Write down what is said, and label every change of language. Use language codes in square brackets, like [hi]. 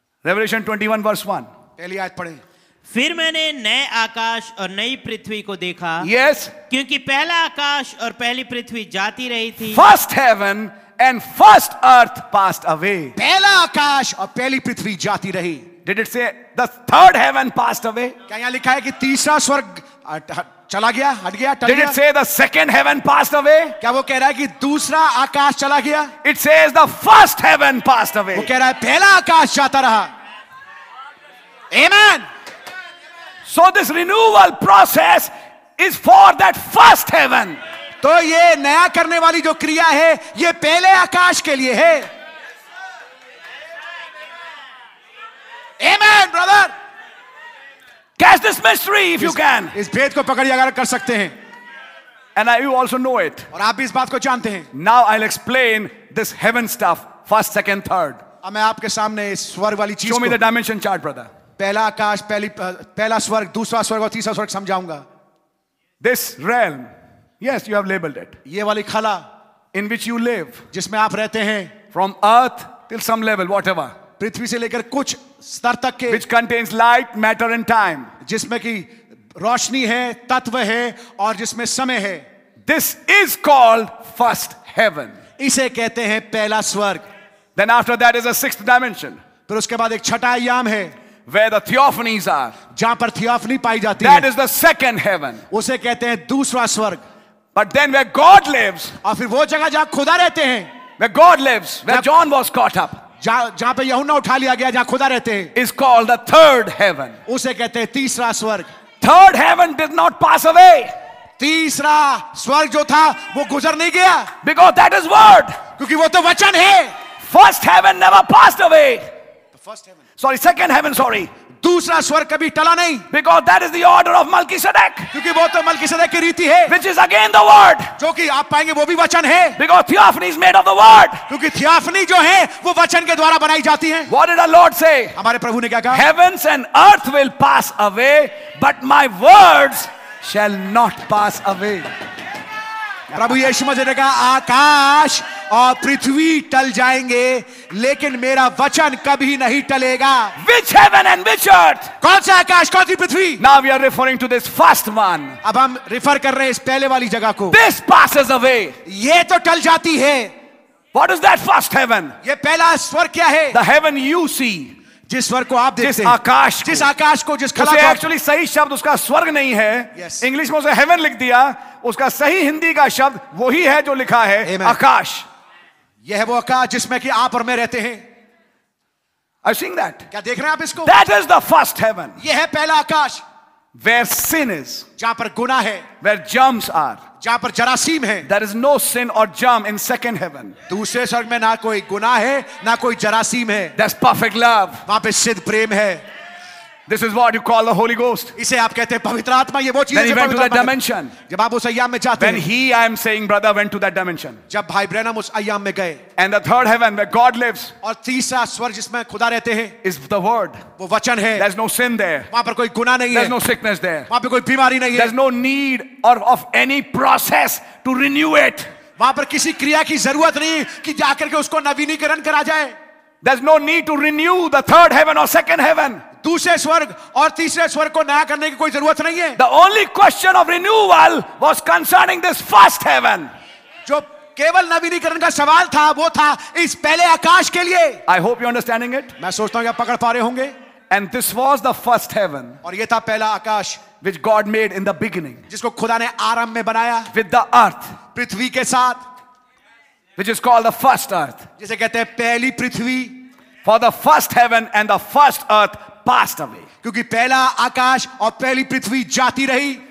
[en] Revelation 21 verse 1. [hi] पहली आयत पढ़ें. फिर मैंने नए आकाश और नई पृथ्वी को देखा. [en] Yes. [hi] क्योंकि पहला आकाश और पहली पृथ्वी जाती रही थी. [en] First heaven and first earth passed away. [hi] पहला आकाश और पहली पृथ्वी जाती रही. [en] Did it say the third heaven passed away? [hi] क्या यहाँ लिखा है कि तीसरा स्वर्ग चला गया, हट गया, टल गया. [en] Did it say the second heaven passed away? [hi] क्या वो कह रहा है कि दूसरा आकाश चला गया? [en] It says the first heaven passed away. [hi] वो कह रहा है पहला आकाश जाता रहा. [en] Amen. So this renewal process is for that first heaven. [hi] तो ये नया करने वाली जो क्रिया है ये पहले आकाश के लिए है. [en] Amen, brother. Catch this mystery if you can. [hi] इस भेद को पकड़िए अगर कर सकते हैं. [en] And you also know it. [hi] और आप भी इस बात को जानते हैं. [en] Now I'll explain this heaven stuff, first, second, third. [hi] अब मैं आपके सामने इस स्वर्ग वाली चीज़ [en] को. Show me the dimension chart, brother. [hi] पहला आकाश, पहला स्वर्ग, दूसरा स्वर्ग और तीसरा स्वर्ग समझाऊंगा. [en] This realm, yes, you have labeled it. [hi] ये वाली खला, [en] in which you live, [hi] जिसमें आप रहते हैं. [en] From earth till some level, whatever. [hi] पृथ्वी से लेकर कुछ स्तर तक के. [en] Which contains light, matter and time. [hi] जिसमें की रोशनी है, तत्व है और जिसमें समय है. [en] This is called first heaven. [hi] इसे कहते हैं पहला स्वर्ग. [en] Then after that is a sixth dimension. [hi] फिर उसके बाद एक छठा आयाम है. [en] Where the theophanies are. [hi] जहां पर थियोफनी पाई जाती [en] है. That is the second heaven. [hi] उसे कहते हैं दूसरा स्वर्ग. [en] But then where God lives. [hi] और फिर वो जगह जहां खुदा रहते हैं. [en] Where God lives. Where John was caught up. [hi] जहां पे यहूना उठा लिया गया, जहां खुदा रहते हैं. [en] Is called the third heaven. [hi] उसे कहते हैं तीसरा स्वर्ग. [en] Third heaven did not pass away. [hi] तीसरा स्वर्ग जो था वो गुजर नहीं गया. [en] Because that is word. [hi] क्योंकि वो तो वचन है. [en] First heaven never passed away. The first heaven. Sorry, second heaven, sorry. [hi] दूसरा स्वर्ग कभी टला नहीं. [en] Because that is the order of Melchizedek. [hi] क्योंकि वो तो मलकीसदेक की रीति है. [en] Which is again the word. [hi] जो कि आप पाएंगे वो भी वचन है. [en] Because theophany is made of the word. [hi] क्योंकि थियोफनी जो है वो वचन के द्वारा बनाई जाती है. [en] What did our Lord say? [hi] हमारे प्रभु ने क्या कहा? [en] Heavens and earth will pass away, but my words shall not pass away. [hi] प्रभु यीशु मसीह ने कहा आकाश और पृथ्वी टल जाएंगे लेकिन मेरा वचन कभी नहीं टलेगा. [en] Which heaven and which earth? [hi] कौन सा आकाश, कौन सी पृथ्वी? [en] Now we are referring to this first one. [hi] अब हम रिफर कर रहे हैं इस पहले वाली जगह को. [en] This passes away. [hi] ये तो टल जाती है. [en] What is that first heaven? [hi] ये पहला स्वर्ग क्या है? [en] The heaven you see. [hi] जिस स्वर्ग को आप देखते हैं, आकाश, जिस आकाश को, जिस खला को. एक्चुअली सही शब्द उसका स्वर्ग नहीं है. इंग्लिश में उसे हेवन लिख दिया. उसका सही हिंदी का शब्द वही है जो लिखा है. [en] Amen. [hi] आकाश. यह वो आकाश जिसमें कि आप और मैं रहते हैं. [en] I seeing that. [hi] क्या देख रहे हैं आप इसको? [en] That is the first heaven. [hi] यह है पहला आकाश. [en] Where sin is. [hi] जहां पर गुनाह है. [en] Where germs are. [hi] जहां पर जरासीम है. [en] There is no sin और germ in second heaven. [hi] दूसरे स्वर्ग में ना कोई गुनाह है ना कोई जरासीम है. [en] That's perfect love. [hi] वहां पे सिद्ध प्रेम है. [en] This is what you call the Holy Ghost. [hi] इसे आप कहते हैं पवित्र आत्मा. ये वो चीज़ है जब [en] went to that dimension. [hi] जब आप उस आयाम में जाते हैं. [en] When he, I am saying, brother, went to that dimension. [hi] जब भाई ब्रैनम उस आयाम में गए. [en] And the third heaven where God lives. [hi] और तीसरा स्वर्ग जिसमें खुदा रहते हैं. [en] Is the word. [hi] वो वचन है. [en] There's no sin there. [hi] वहाँ पर कोई गुनाह नहीं है. [en] There's no sickness there. [hi] वहाँ पर कोई बीमारी नहीं है. [en] There's no need or of any process to renew it. [hi] वहाँ पर किसी क्रिया की जरूरत नहीं कि जाकर के उसको नवीनीकरण करा जाए. [en] There's no need to renew the third heaven or second heaven. [hi] दूसरे स्वर्ग और तीसरे स्वर्ग को नया करने की कोई जरूरत नहीं है. [en] The only question of renewal was concerning this first heaven. [hi] जो केवल नवीनीकरण का सवाल था वो था इस पहले आकाश के लिए. [en] I hope you're understanding it. [hi] मैं सोचता हूं आप पकड़ पा रहे होंगे. [en] And this was the first heaven. [hi] और ये था पहला आकाश. [en] Which God made in the beginning. [hi] जिसको खुदा ने आरंभ में बनाया. [en] With the earth. [hi] पृथ्वी के साथ. [en] Which is called the first earth. [hi] जिसे कहते हैं पहली पृथ्वी. [en] For the first heaven and the first earth passed away. [hi] क्योंकि पहला आकाश और पहली पृथ्वी जाती रही.